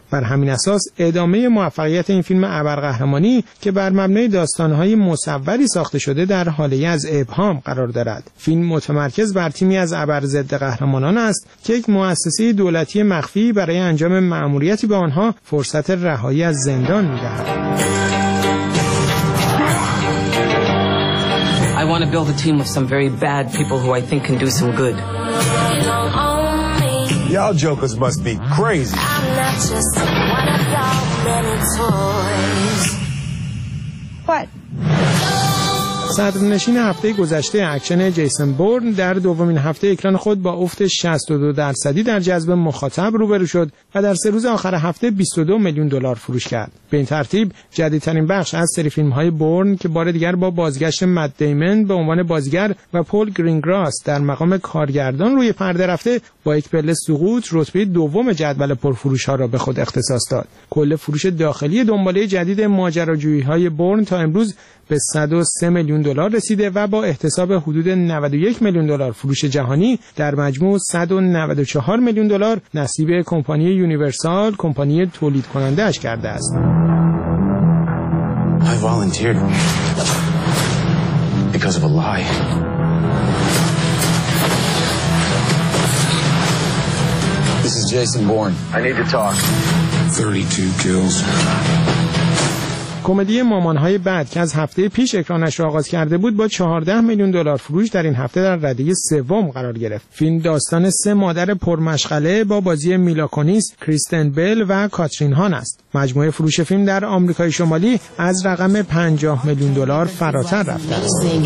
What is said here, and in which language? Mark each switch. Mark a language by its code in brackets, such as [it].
[fa] بر همین اساس ادامه موفقیت این فیلم ابرقهرمانی که بر مبنای داستان‌های مصوری ساخته شده در حاله‌ای از ابهام قرار دارد. فیلم متمرکز بر تیمی از ابر ضد قهرمانان است که یک مؤسسه دولتی مخفی برای انجام مأموریتی به آنها فرصت رهایی از زندان می‌دهد. [en] I want to build a team of some very bad people who I think can do some good. Y'all jokers must be crazy. I'm not just one of y'all many toys. What? [fa] صدرنشین هفته گذشته اکشن جیسون بورن در دومین هفته اکران خود با افت 62% در جذب مخاطب روبرو شد و در سه روز آخر هفته 22 میلیون دلار فروش کرد. به این ترتیب جدیدترین بخش از سری فیلم‌های بورن که بار دیگر با بازگشت مت دیمن به عنوان بازیگر و پول گرینگراس در مقام کارگردان روی پرده رفته با یک پله سقوط رتبه دوم جدول پرفروش‌ها را به خود اختصاص داد. کل فروش داخلی دنباله جدید ماجراجویی‌های بورن تا امروز به 103 میلیون دلار رسیده و با احتساب حدود 91 میلیون دلار فروش جهانی در مجموع 194 میلیون دلار نصیب کمپانی یونیورسال، کمپانی تولید کننده اش کرده است. [en] I volunteered because of a lie. This is Jason Bourne. I need to talk. 32 kills. [fa] کمدی مامان‌های بعد که از هفته پیش اکرانش را آغاز کرده بود با 14 میلیون دلار فروش در این هفته در رده سوم قرار گرفت. فیلم داستان سه مادر پرمشغله با بازی میلا کونیس، کریستن بل و کاترین هان است. مجموعه فروش فیلم در آمریکای شمالی از رقم 50 میلیون دلار فراتر رفته است.